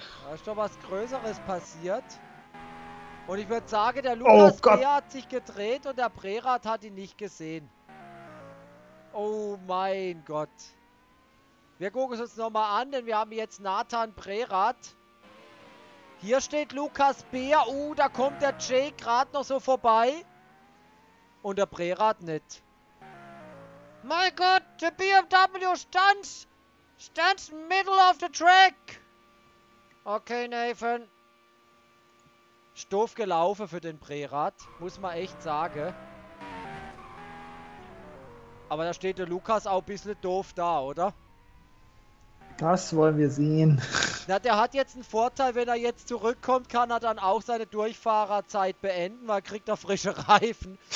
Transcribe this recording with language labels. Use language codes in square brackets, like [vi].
[de] Da ist doch was Größeres passiert. Und ich würde sagen, der Lukas Beer hat sich gedreht und der Prerad hat ihn nicht gesehen. Oh mein Gott. Wir gucken es uns nochmal an, denn wir haben jetzt Nathan Prerad. Hier steht Lukas Beer. Da kommt der Jay gerade noch so vorbei. Und der Prerad nicht. [en] My God, the BMW stands middle of the track. Okay, Nathan. [de] Stoff gelaufen für den Prerad, muss man echt sagen. Aber da steht der Lukas auch ein bisschen doof da, oder? Das wollen wir sehen. Na, der hat jetzt einen Vorteil, wenn er jetzt zurückkommt, kann er dann auch seine Durchfahrerzeit beenden, weil kriegt er frische Reifen.